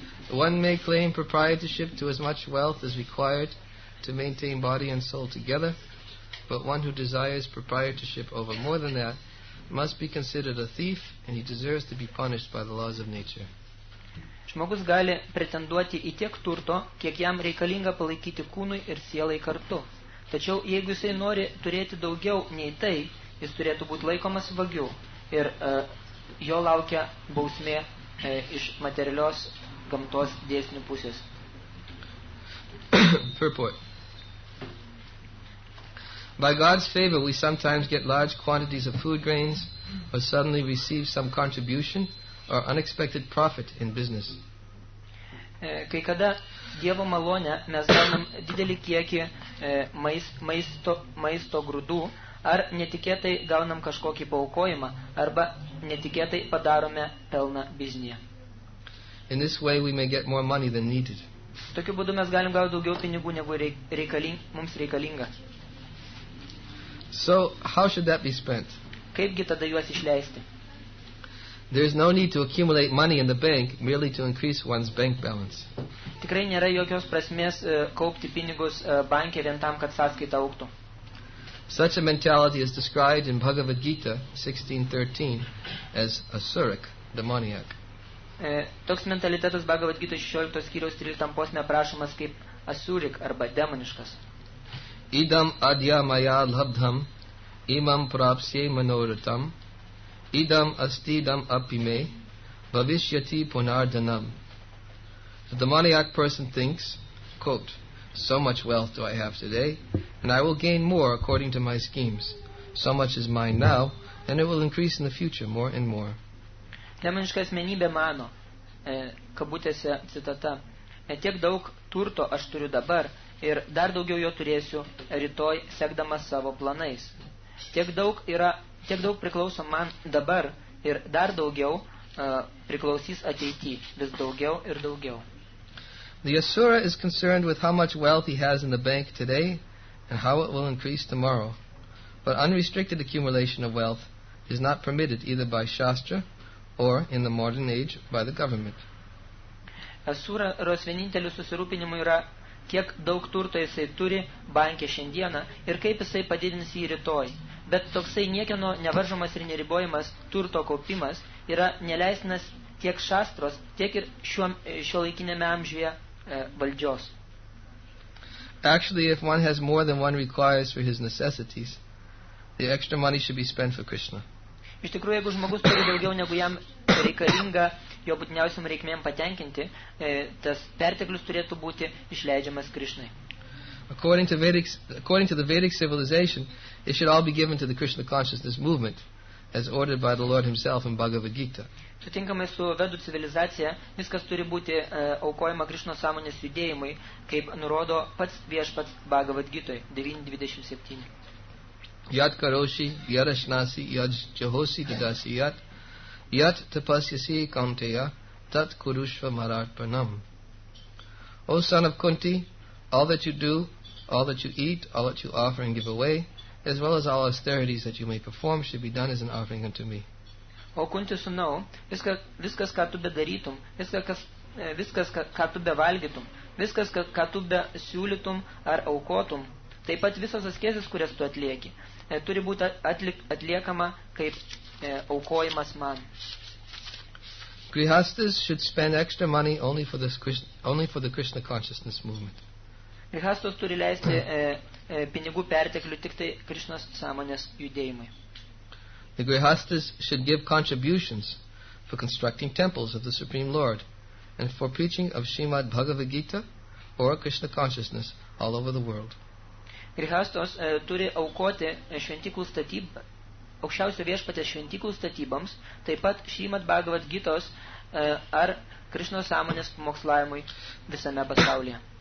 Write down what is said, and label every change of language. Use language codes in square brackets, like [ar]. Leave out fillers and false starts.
[en] One may claim proprietorship to as much wealth as required to maintain body and soul together, but one who desires proprietorship over more than that must be considered a thief, and he deserves to be punished by the laws of nature. [lt] Žmogus gali pretenduoti į tiek turto, kiek jam reikalinga palaikyti kūnui ir sielai kartu. Tačiau jeigu jisai nori turėti daugiau nei tai, jis turėtų būti laikomas vagiu ir jo laukia bausmė iš materialios gamtos dėsnių pusės. [en] Purport. By God's favor, we sometimes get large quantities of food grains or suddenly receive some contribution or unexpected profit in business. [lt] Kai kada Dievo malonė, mes gaunam didelį kiekį maisto grūdų, ar netikėtai gaunam kažkokį paukojimą, arba netikėtai padarome pelną biznyje. [en] In this way we may get more money than needed. [lt] Tokiu būdu mes galim gauti daugiau pinigų, negu mums reikalinga. [en] So, how should that be spent? [lt] Kaipgi tada juos išleisti? [en] There is no need to accumulate money in the bank merely to increase one's bank balance. [lt] Tikrai nėra jokios prasmės kaupti pinigus banke vien tam, kad sąskaita augtų. [en] Such a mentality is described in Bhagavad Gita 16:13 as asuric demoniac. [lt] Toks mentalitetas Bhagavad Gita 16 skyriaus 13 posme aprašomas kaip asurik arba demoniškas. [sa] Idam adya maya labdham imam prapsye manoritam idam astidam apime bhavishyati punardhanam. [en] The demoniac person thinks, quote, so much wealth do I have today, and I will gain more according to my schemes. So much is mine now, and it will increase in the future more and more. [lt] Demoniška asmenybė mano, kabutėse citata, tiek daug turto aš turiu dabar, ir dar daugiau jo turėsiu rytoj sekdamas savo planais. Tiek daug priklauso man dabar, ir dar daugiau priklausys ateity, vis daugiau ir daugiau. [en] The Asura is concerned with how much wealth he has in the bank today and how it will increase tomorrow. But unrestricted accumulation of wealth is not permitted either by Shastra or in the modern age by the government. [lt] Asura ros vieninteliu susirūpinimu yra kiek daug turto jisai turi banke šiandieną ir kaip jisai padidins jį rytoj. Bet toksai niekieno nevaržomas ir neribojamas turto kaupimas yra neleistinas tiek šastros, tiek ir šio laikinėme amžiuje valdžios. [en] Actually, if one has more than one requires for his necessities, the extra money should be spent for Krishna. [lt] Iš tikrųjų, jeigu žmogus turi daugiau negu jam reikalinga, jo būtiniausiam reikmėm patenkinti, tas perteklius turėtų būti išleidžiamas Krishnai. [en] According to the Vedic civilization, it should all be given to the Krishna consciousness movement, as ordered by the Lord himself in Bhagavad Gita. [lt] Sutinkamai su vedų civilizacija, viskas turi būti aukojama Krishna sąmonės judėjimui, kaip nurodo pats viešpats Bhagavad Gita 9.27. [sa] Yat karoshi, yarashnasi, yaj jahosi didasi yat, yat tapasyasi kamteya, tat kurushva maratpanam. [en] O son of Kunti, all that you do, all that you eat, all that you offer and give away, as well as all austerities that you may perform, should be done as an offering unto me. [lt] O Kunti, sūnau, viskas, ką tu bedarytum, viskas, ką tu bevalgytum, viskas, ką tu besiūlytum ar aukotum, taip pat visos askezės, kurias tu atlieki, turi būti atliekama kaip aukojimas man. [en] Grihastas should spend extra money only for the Krishna consciousness movement. [lt] Grihastas turi leisti pinigų perteklių tik tai Krishnos sąmonės judėjimui. [en] The grihastas should give contributions for constructing temples of the Supreme Lord and for preaching of Srimad Bhagavad Gita or Krishna consciousness all over the world. [lt] Grihastos turi aukoti šventiklų statybą, aukščiausio viešpatės šventiklų statyboms, taip pat Srimad Bhagavad Gitos ar Krishnos sąmonės pamokslavimui visame pasaulyje.